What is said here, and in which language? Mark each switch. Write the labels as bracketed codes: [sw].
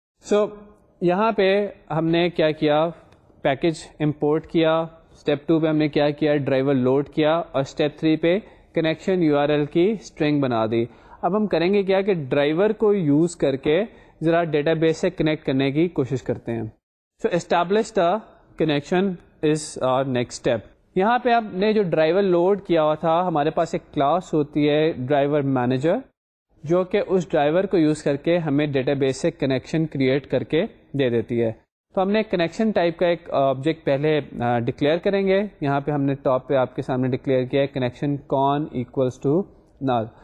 [ur] سو یہاں پہ ہم نے کیا کیا, پیکج امپورٹ کیا, اسٹیپ ٹو پہ ہم نے کیا کیا, ڈرائیور لوڈ کیا, اور اسٹیپ تھری پہ کنیکشن یو آر ایل کی اسٹرنگ بنا دی. اب ہم کریں گے کیا کہ ڈرائیور کو یوز کر کے ذرا ڈیٹا بیس سے کنیکٹ کرنے کی کوشش کرتے ہیں. [en] So establish the connection is our next step. [ur] یہاں پہ ہم نے جو ڈرائیور لوڈ کیا ہوا تھا, ہمارے پاس ایک کلاس ہوتی ہے ڈرائیور مینیجر, جو کہ اس ڈرائیور کو یوز کر کے ہمیں ڈیٹا بیس سے کنیکشن کریٹ کر کے دے دیتی ہے. تو ہم نے کنیکشن ٹائپ کا ایک آبجیکٹ پہلے ڈکلیئر کریں گے. یہاں پہ ہم نے ٹاپ پہ آپ کے سامنے ڈکلیئر کیا ہے کنیکشن کون ایکولس ٹو نل.